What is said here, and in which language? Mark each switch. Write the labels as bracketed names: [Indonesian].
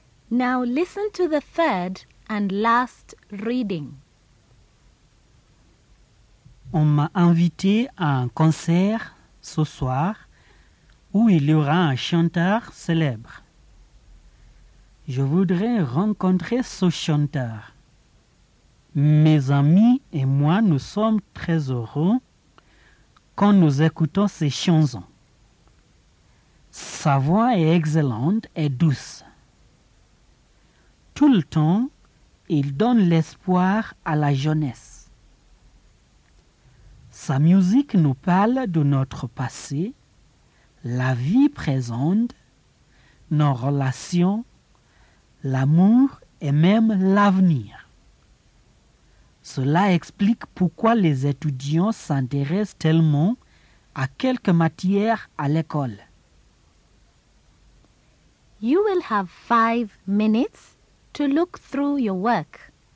[English] Now listen to the third and last reading. [French] On m'a invité à un concert ce soir où il y aura un chanteur célèbre. Je voudrais rencontrer ce chanteur. Mes amis et moi, nous sommes très heureux quand nous écoutons ses chansons. Sa voix est excellente et douce. Tout le temps, il donne l'espoir à la jeunesse. Sa musique nous parle de notre passé, la vie présente, nos relations, l'amour et même l'avenir. Cela explique pourquoi les étudiants s'intéressent tellement à quelques matières à l'école. [English] You will have 5 minutes to look through your work.